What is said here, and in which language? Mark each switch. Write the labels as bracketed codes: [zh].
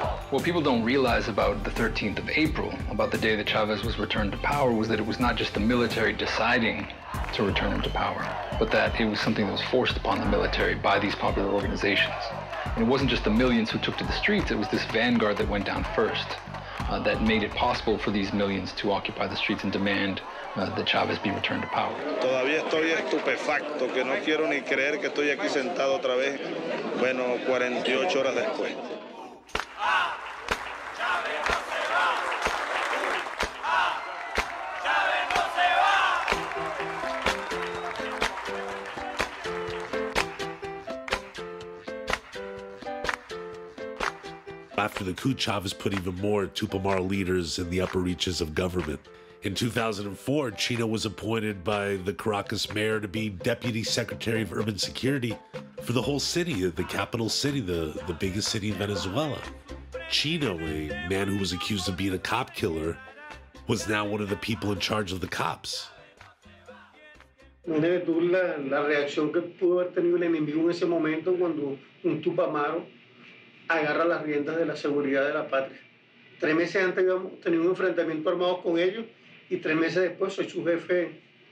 [en] What people don't realize about the 13th of April, about the day that Chavez was returned to power, was that it was not just the military deciding to return him to power, but that it was something that was forced upon the military by these popular organizations. And it wasn't just the millions who took to the streets, it was this vanguard that went down first that made it possible for these millions to occupy the streets and demand that Chavez be returned to power. [es] Todavía estoy estupefacto, que no quiero ni creer que estoy aquí sentado otra vez, bueno, 48 horas después. [en] After the coup, Chavez put even more Tupamaro leaders in the upper reaches of government. In 2004, Chino was appointed by the Caracas mayor to be Deputy Secretary of Urban Security for the whole city, the capital city, the biggest city in Venezuela. Chino, a man who was accused of being a cop killer, was now one of the people in charge of the cops. [es] La reacción que pudo haber tenido el enemigo en ese momento cuando un Tupamaro agarra las riendas de la seguridad de la patria. Tres meses antes habíamos tenido un enfrentamiento armado con ellos y tres meses después soy su jefe.